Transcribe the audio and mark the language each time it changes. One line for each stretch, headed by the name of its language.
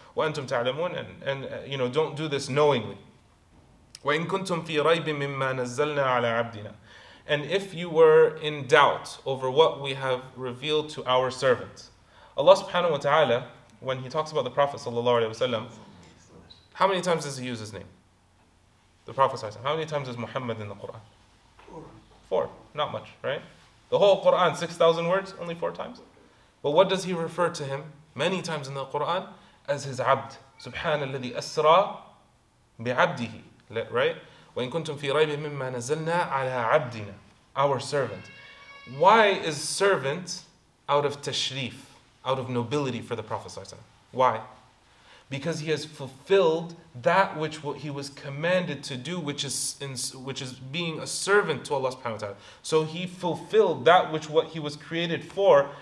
Arabic: وَأَنْتُمْ تَعْلَمُونَ
English: And don't do this knowingly.
Arabic: وَإِنْ كُنْتُمْ فِي رَيْبٍ مِمَّا نَزَّلْنَا عَلَىٰ عَبْدِنَا
English: And if you were in doubt over what we have revealed to our servant, Allah subhanahu wa ta'ala, when he talks about the Prophet sallallahu alayhi wa sallam, how many times does he use his name? The Prophet sallallahu alayhi wa sallam. How many times is Muhammad in the Qur'an? Four. Not much, right? The whole Qur'an, 6,000 words, only four times. But what does he refer to him many times in the Qur'an? As his abd. Subhana alladhi asra bi'abdihi. Right?
Arabic: وَإِنْ كُنْتُمْ فِي رَيْبٍ مِمَّا نَزَلْنَا عَلَىٰ عَبْدِنَا
English: Our servant. Why is servant out of tashrif, out of nobility for the Prophet ﷺ? Why? Because he has fulfilled that which he was commanded to do, which is being a servant to Allah subhanahu wa ta'ala. So he fulfilled that which what he was created for.